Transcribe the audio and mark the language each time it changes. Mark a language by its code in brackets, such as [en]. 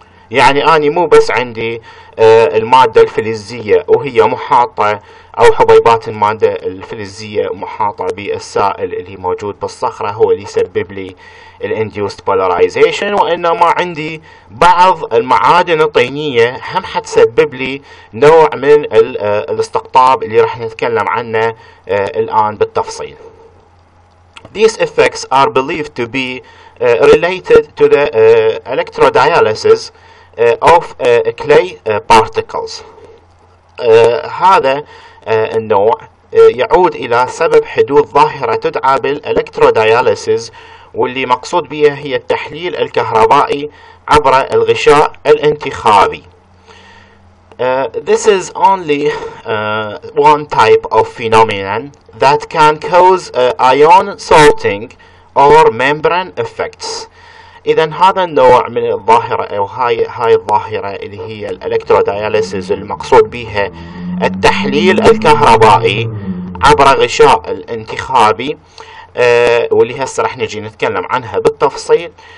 [ar] يعني اني مو بس عندي المادة الفلزية وهي محاطة او حبيبات المادة الفلزية محاطة بالسائل اللي موجود بالصخرة هو اللي يسبب لي الانديوست بولاريزيشن، وانما عندي بعض المعادن الطينية هم حتسبب لي نوع من الاستقطاب اللي راح نتكلم عنه الان بالتفصيل. [en] These effects are believed to be related to the electrodialysis of clay particles. [ar] هذا النوع يعود الى سبب حدوث ظاهرة تدعى بالالكتروداياليسيز واللي مقصود بها هي التحليل الكهربائي عبر الغشاء الانتخابي. [en] This is only one type of phenomenon that can cause ion sorting or membrane effects. [ar] إذا هذا النوع من الظاهرة أو هاي الظاهرة اللي هي الإلكتروداياليسيس، المقصود بها التحليل الكهربائي عبر غشاء الانتخابي، واللي هسه رح نجي نتكلم عنها بالتفصيل.